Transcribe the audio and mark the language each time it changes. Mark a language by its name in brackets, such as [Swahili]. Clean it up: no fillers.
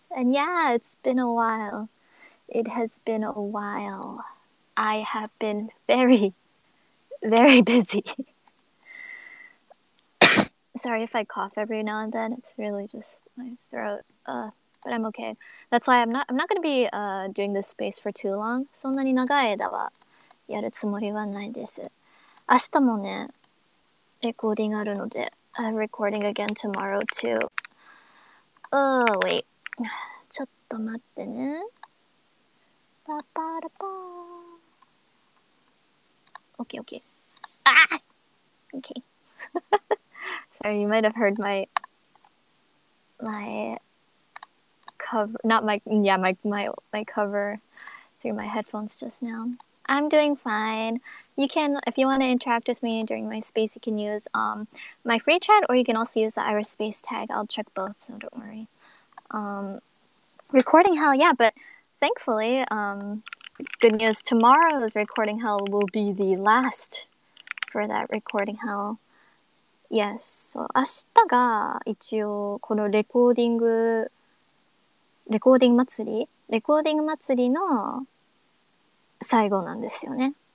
[English] And yeah, it's been a while. It has been a while. I have been very, very busy. Sorry if I cough every now and then. It's really just my throat. But I'm okay. That's why I'm not going to be doing this space for too long. [Japanese] そんなに長い間はやるつもりはないです。明日もね、レコーディングあるので、 [English] I'm recording again tomorrow too. Oh, wait. [Japanese] ちょっと待ってね。パパラパー。 [English] OK, OK. Ah! OK. Sorry, you might have heard my cover, not my, yeah, my cover through my headphones just now. I'm doing fine. You can, if you want to interact with me during my space, you can use my free chat, or you can also use the Iris space tag. I'll check both, so don't worry. Recording hell, yeah, but thankfully, good news, tomorrow's recording hell will be the last for that recording hell. Yes, so [Japanese] 明日が一応このレコーディング祭り? レコーディング祭りの最後なんですよね。